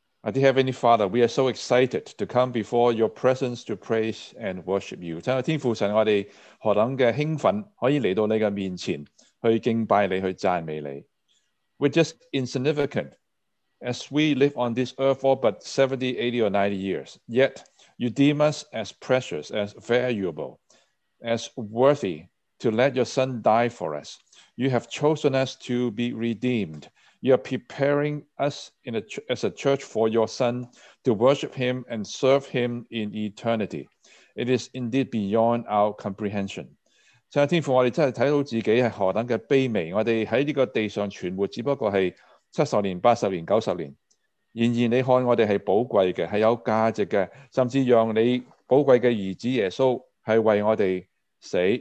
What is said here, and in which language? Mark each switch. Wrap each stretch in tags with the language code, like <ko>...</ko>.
<en>Dear Heavenly Father, we are so excited to come before your presence to praise and worship you。</en> <yue>真系天父神，我哋何等嘅兴奋，可以嚟到你嘅面前去敬拜你，去赞美你。</yue> <en>We're just insignificant as we live on this earth for but 70, 80, or 90 years. Yet you deem us as precious, as valuable, as worthy to let your son die for us. You have chosen us to be redeemed. You are preparing us as a church for your son to worship him and serve him in eternity. It is indeed beyond our comprehension.</en> <yue>神啊，天父，我哋真系睇到自己系何等嘅卑微。我哋喺呢个地上存活，只不过系70年、80年、90年。然而，你看我哋系宝贵嘅，系有价值嘅，甚至让你宝贵嘅儿子耶稣系为我哋死。</yue>